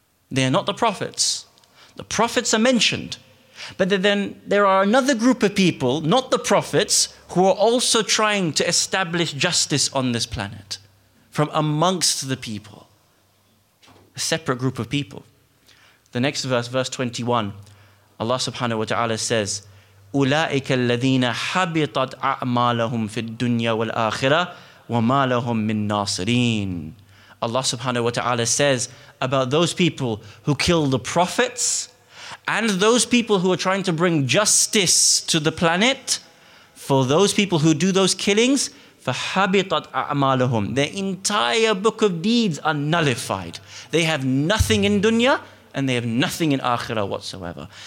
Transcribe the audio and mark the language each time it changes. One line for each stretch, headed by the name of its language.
English: They are not the prophets. The prophets are mentioned. But then there are another group of people, not the prophets, who are also trying to establish justice on this planet from amongst the people. A separate group of people. The next verse, verse 21, Allah subhanahu wa ta'ala says,
Arabic: أُولَٰئِكَ الَّذِينَ حَبِطَتْ أَعْمَالَهُمْ فِي الدُّنْيَا وَالْآخِرَةِ وَمَا لَهُمْ مِنْ نَاصِرِينَ.
English: Allah subhanahu wa ta'ala says about those people who kill the prophets and those people who are trying to bring justice to the planet, for those people who do those killings,
Arabic: فَحَبِطَتْ أَعْمَالَهُمْ.
English: Their entire book of deeds are nullified. They have nothing in dunya and they have nothing in akhirah whatsoever.